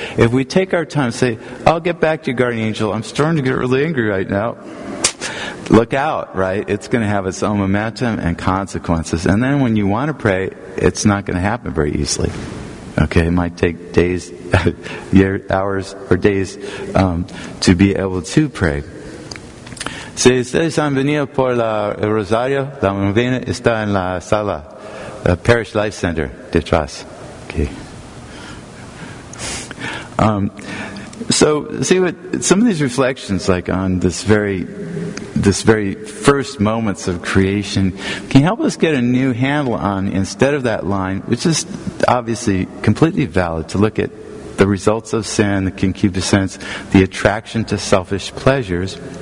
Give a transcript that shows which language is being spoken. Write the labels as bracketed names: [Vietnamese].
[English] If we take our time, say, I'll get back to you, guardian angel. I'm starting to get really angry right now. Look out, right? It's going to have its own momentum and consequences. And then when you want to pray, it's not going to happen very easily. Okay, it might take days, hours, or days to be able to pray. [Spanish] Si ustedes han venido por la Rosario, la novena está en la sala, the Parish Life Center, detrás. [English] Okay. So, see what some of these reflections, like on this very first moments of creation, can help us get a new handle on, instead of that line, which is obviously completely valid, to look at the results of sin, the concupiscence, the attraction to selfish pleasures.